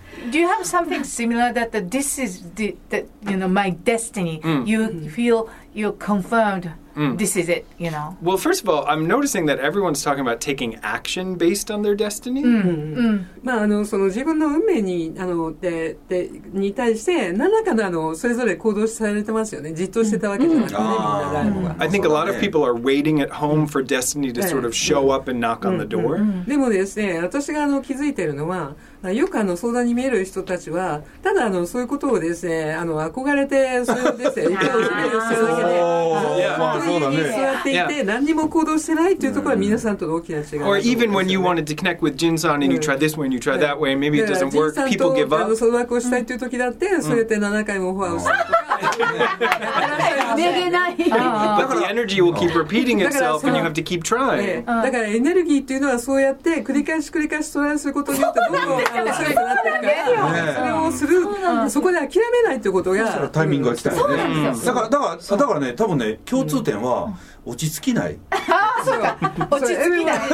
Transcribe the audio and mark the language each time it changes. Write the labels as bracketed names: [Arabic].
[English] Do you have something similar that the, this is the, the, you know, my destiny? You feel you're confirmed. This is it, you know? Well, first of all, I'm noticing that everyone's talking about taking action based on their destiny. [Japanese] まあ、あの、その自分の運命に、あの、で、で、に対して、何らかの、あの、それぞれ行動されてますよね。じっとしてたわけじゃなくて、みんなライブ [English] が。I think a lot of people are waiting at home for destiny to sort of show up and knock on the door. [Japanese] でもですね、私があの、気づいてるのは、よくあの相談に見える人たちは、ただあのそういうことをですね、あの憧れて、それをですね、一回始めるだけで、本当に座っていて、何にも行動してないというところは皆さんとの大きな違いです。 [English] Or even when you wanted to connect with Jin-san and you try this way and you try that way, maybe it doesn't work, people give up. [Japanese] あの相談をしたいという時だって、それで7回もフォアをする。めげない。 [English] But the energy will keep repeating itself and you have to keep trying. [Japanese] だからエネルギーというのはそうやって繰り返し繰り返しトライすることによって、それをする、そこで諦めないってことが、タイミングが来たよね。だからね、多分ね、共通点は落ち着きない。そうか、落ち着きない。